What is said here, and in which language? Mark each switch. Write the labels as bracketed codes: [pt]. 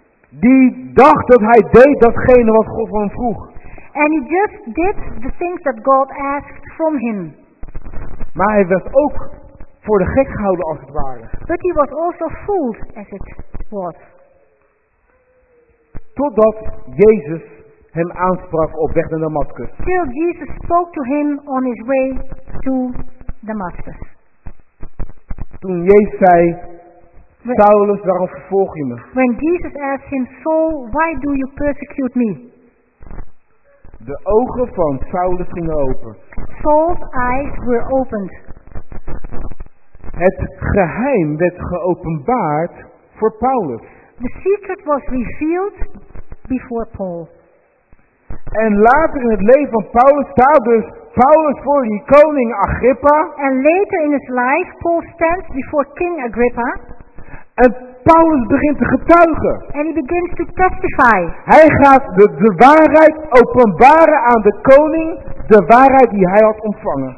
[nl] Die dacht dat hij deed datgene wat God van hem vroeg. [en] And he just did the things that God asked from him. [nl] Maar hij werd ook voor de gek gehouden als het ware. [en] But he was also fooled as it was. [nl] Totdat Jezus hem aansprak op weg naar Damascus. [en] Till Jesus spoke to him on his way to Damascus. [nl] Toen Jezus zei, Saulus, waarom vervolg je me? [en] When Jesus asked him, Saul, why do you persecute me? [nl] De ogen van Saulus gingen open. [en] Saul's eyes were opened. [nl] Het geheim werd geopenbaard voor Paulus. [en] The secret was revealed before Paul. [nl] En later in het leven van Paulus staat dus Paulus voor die koning Agrippa. [en] And later in his life, Paul stands before King Agrippa. [nl] En Paulus begint te getuigen. [en] And he begins to testify. [nl] Hij gaat de waarheid openbaren aan de koning, de waarheid die hij had ontvangen.